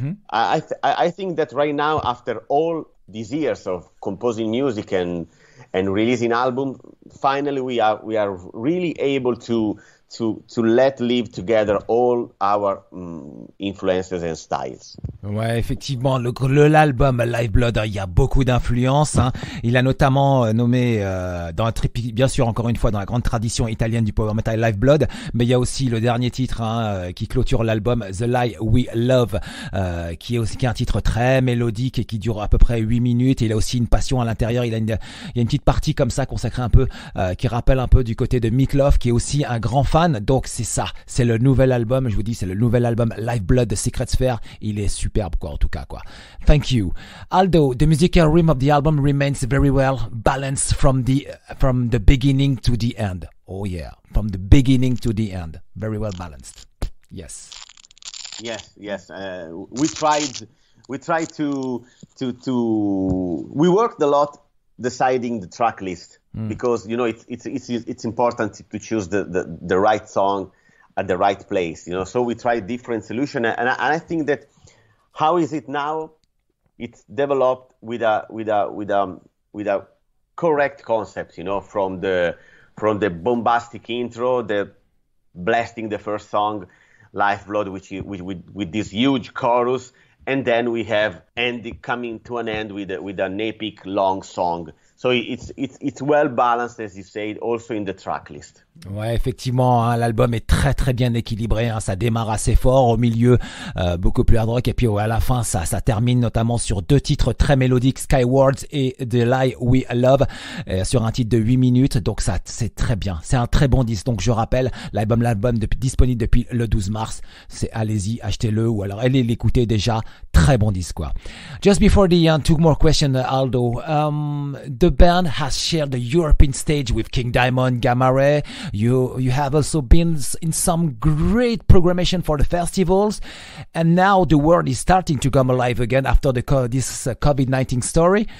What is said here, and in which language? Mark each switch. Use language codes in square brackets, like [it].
[en] I think that right now, after all these years of composing music and releasing album, finally we are really able to let live together all our influences and styles. [fr] Ouais, effectivement, l'album LifeBlood, il y a beaucoup d'influences, hein. Il a notamment nommé bien sûr, encore une fois, dans la grande tradition italienne du power metal, LifeBlood, mais il y a aussi le dernier titre, hein, qui clôture l'album, The Lie We Loveʺ, qui est un titre très mélodique et qui dure à peu près 8 minutes. Et il a aussi une passion à l'intérieur. Il y a une petite partie comme ça consacrée un peu qui rappelle un peu du côté de Meatloaf, qui est aussi un grand fan. Donc c'est ça, c'est le nouvel album, je vous dis, c'est le nouvel album LifeBlood de Secretsphere. Il est superbe, quoi, en tout cas, quoi. [en] Thank you. Aldo, the musical rhythm of the album remains very well balanced from the beginning to the end. Oh yeah, from the beginning to the end, very well balanced. Yes. We worked a lot deciding the track list, because, you know, it's important to choose the right song at the right place, you know. So we tried different solutions, and I think that how is it now, it's developed with a correct concept, you know, from the from the bombastic intro, the blasting the first song, LifeBlood, with this huge chorus, and then we have ending coming to an end with an epic long song. So it's well balanced, as you said, also in the tracklist. [fr] Ouais, effectivement, hein, l'album est très très bien équilibré. Hein, ça démarre assez fort au milieu, beaucoup plus hard rock, et puis ouais, à la fin, ça termine notamment sur deux titres très mélodiques, ʺSkywardsʺ et The Lie We Loveʺ, sur un titre de 8 minutes. Donc ça, c'est très bien. C'est un très bon disque. Donc je rappelle, l'album disponible depuis le 12 mars. C'est allez-y, achetez-le ou alors allez l'écouter déjà. Très bon disque, quoi. [en] Just before the end, two more questions, Aldo. The band has shared the European stage with King Diamond, Gamma Ray. You have also been in some great programmation for the festivals, and now the world is starting to come alive again after this COVID-19 story.